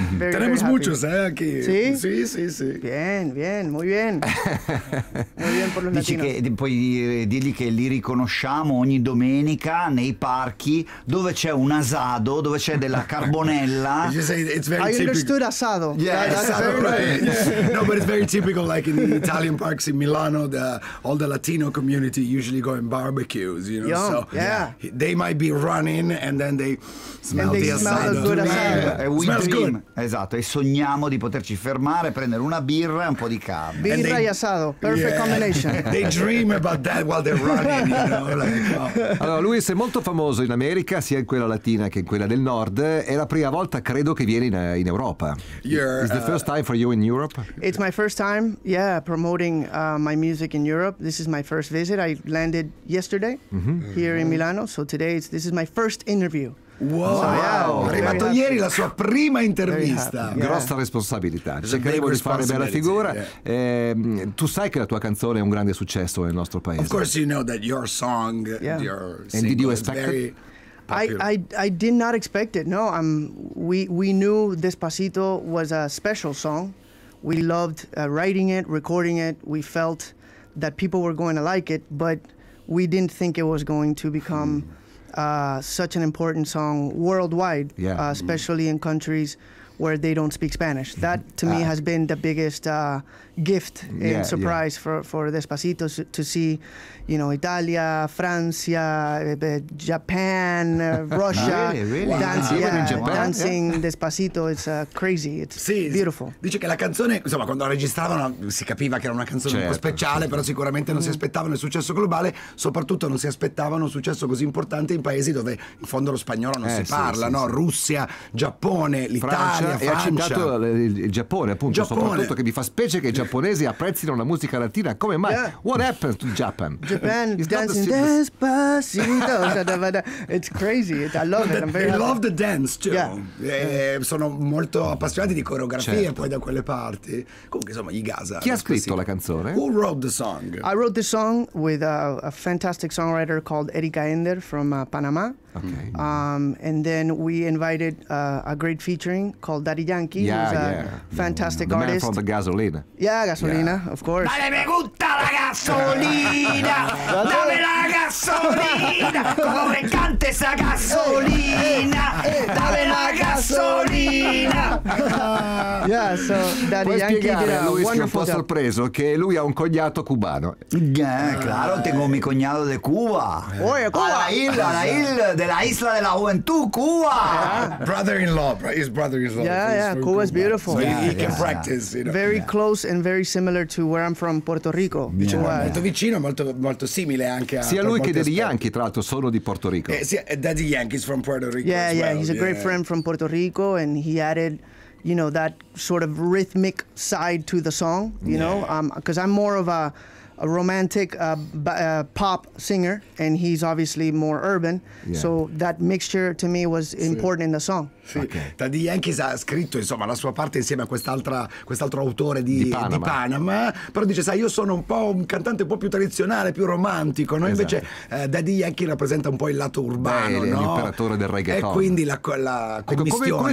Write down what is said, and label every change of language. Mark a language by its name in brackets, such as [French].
[Spanish] Tenemos muchos, aquí. Sí? Sí, sí, sí. Bien, bien, muy bien. Muy bien por los latinos. [Italian] Che puoi dirgli che li riconosciamo ogni domenica nei parchi dove c'è un asado, dove c'è della carbonella. [English] You just say it's very typical. I understood asado. Yeah, asado, right. No, but it's very typical, like in the Italian parks in Milano, all the Latino community usually go in barbecues, you know. Yum. So yeah. They might be running and then they smell and they the smell asado. Good asado. Yeah. Smells dream. Good. [Italian] Esatto, e sogniamo di poterci fermare, prendere una birra e un po' di carne. Birra e [English] asado, perfect combination. They dream about that while they're running, you know. Like, oh. [Italian] Allora, Luis è molto famoso in America, sia in quella latina che in quella del nord. È la prima volta, credo, che viene in Europa. [English] Is the first time for you in Europe? It's my first time, yeah, promoting my music in Europe. This is my first visit. I landed yesterday here in Milano, so today this is my first interview. Wow, so, yeah, [Italian] è arrivato ieri la sua prima intervista. Yeah. Grossa responsabilità. Cercheremo di fare bella figura. [English] Yeah. [Italian] Tu sai che la tua canzone è un grande successo nel nostro paese. [English] Of course you know that your song, and did you expect very... I did not expect it. No, we knew Despacito was a special song. We loved writing it, recording it. We felt that people were going to like it, but we didn't think it was going to become such an important song worldwide, especially in countries where they don't speak Spanish. That to me has been the biggest gift and surprise for Despacito, to see, you know, Italia, Francia, Japan, Russia, dancing Despacito. It's crazy. It's beautiful. [Italian] Dice che la canzone, insomma, quando la registravano si capiva che era una canzone un po' speciale, però sicuramente non si aspettavano il successo globale, soprattutto non si aspettavano un successo così importante in paesi dove in fondo lo spagnolo non si parla, no? Russia, Giappone, l'Italia, Francia. E ha citato il Giappone, appunto, soprattutto, che mi fa specie che giapponesi apprezzino la musica latina. Come mai? [English] Yeah. What happened to Japan? Japan is dancing Despacito. It's crazy. I love it. They love the dance too. Yeah. [Italian] Sono molto appassionati di coreografie poi da quelle parti. Comunque, insomma, gli Gaza. Chi ha scritto la canzone? [English] Who wrote the song? I wrote the song with a fantastic songwriter called Erika Ender from Panama. Okay. And then we invited a great featuring called Daddy Yankee, who's a fantastic the artist. The man from the Gasolina. Yeah, Gasolina, of course. [Spanish] Dale me gusta la gasolina, dame la gasolina, como me encanta esa gasolina, dame la gasolina. [English] Yeah, so Daddy [Italian] Puoi [English] Yankee did a wonderful job. [Italian] Puoi spiegare a Luis che un po' sorpreso che lui ha un cognato cubano. [Spanish] Claro, tengo mi cognato de Cuba. Oye, Cuba. A la isla. De la isla de la juventud, Cuba. [English] Brother-in-law, his brother-in-law. Yeah, Cuba's Cuba. Beautiful. So he can practice, you know. Very close and very similar to where I'm from, Puerto Rico. [Italian] Molto vicino, molto molto simile anche a... Sia lui che Daddy Yankee, tra l'altro, sono di Puerto Rico. [English] Daddy Yankee's from Puerto Rico He's a great friend from Puerto Rico, and he added, you know, that sort of rhythmic side to the song, you know? Because I'm more of a romantic pop singer, and he's obviously more urban, so that mixture to me was important in the song. [Italian] Daddy Yankee ha scritto, insomma, la sua parte insieme a quest'altro autore Di Panama, però dice, sai, io sono un po' un cantante un po' più tradizionale, più romantico, no? Invece Daddy Yankee rappresenta un po' il lato urbano, no? L'imperatore del reggaeton, e quindi la commistione, come